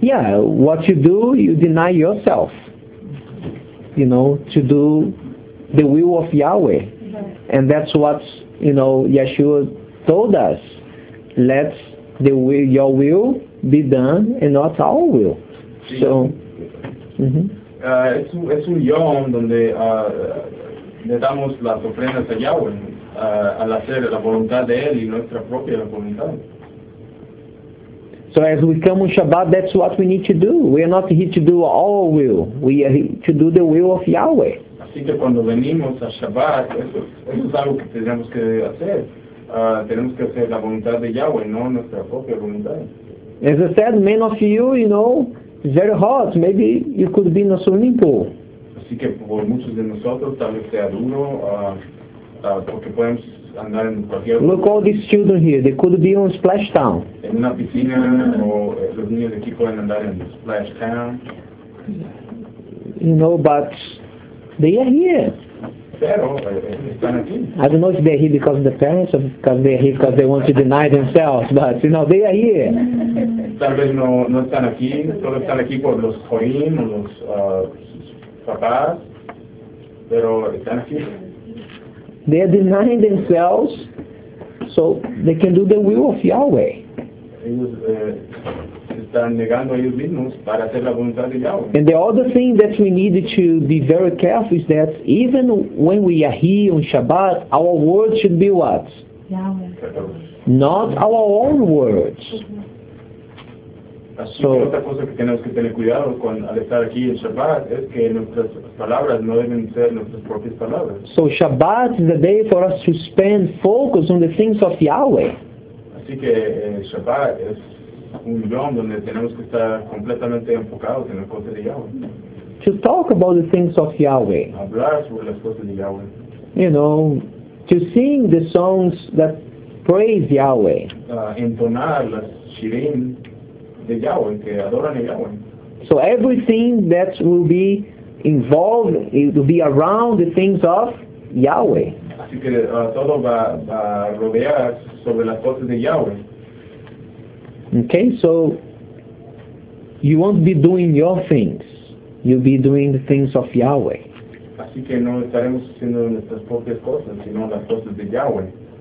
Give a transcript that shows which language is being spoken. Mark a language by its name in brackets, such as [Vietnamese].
[English] Yeah, what you do, you deny yourself. You know, to do the will of Yahweh. Okay. And that's what, you know, Yeshua told us. Let the will, your will be done and not our will. So, [Spanish] Es un yom donde le damos las ofrendas a Yahweh al hacer la voluntad de él y nuestra propia voluntad. [English] So as we come on Shabbat, that's what we need to do. We are not here to do our will. We are here to do the will of Yahweh. [Spanish] Así que cuando venimos a Shabbat, eso es algo que tenemos que hacer. Tenemos que hacer la voluntad de Yahweh, no nuestra propia voluntad. [English] As I said, many of you, you know, very hot, maybe you could be in a swimming pool. [Spanish] Así que por muchos de nosotros, tal vez sea duro, porque podemos andar en cualquier... [English] Look all these children here, they could be on Splash Town. [Spanish] En una piscina, o los niños aquí pueden andar en Splash Town. [English] You know, but they are here. [Spanish] Pero, están aquí. [English] I don't know if they are here because of the parents, or because they are here because they want to deny themselves, but, you know, they are here. [Spanish] Tal vez no están aquí, solo están aquí por los joín o los papás, pero están aquí. [English] They are denying themselves so they can do the will of Yahweh. [Spanish] Ellos están negando a ellos mismos para hacer la voluntad de Yahweh. [English] And the other thing that we need to be very careful is that even when we are here on Shabbat, our words should be what? Yahweh. Not our own words. [Spanish] Así so, que otra cosa que tenemos que tener cuidado con, al estar aquí en Shabbat es que nuestras palabras no deben ser nuestras propias palabras. [English] So Shabbat is the day for us to spend focus on the things of Yahweh. [Spanish] Así que Shabbat es un yom donde tenemos que estar completamente enfocados en las cosas de Yahweh. [English] To talk about the things of Yahweh. [Spanish] Hablar sobre las cosas de Yahweh. [English] You know, to sing the songs that praise Yahweh. [Spanish] Entonar las shirim. [English] So everything that will be involved, it will be around the things of Yahweh. [Spanish] así que todo va a rodear sobre las cosas de Yahweh. [English] Okay, so you won't be doing your things. You'll be doing the things of Yahweh. [Spanish] Así que no estaremos haciendo nuestras propias cosas, sino las cosas de Yahweh.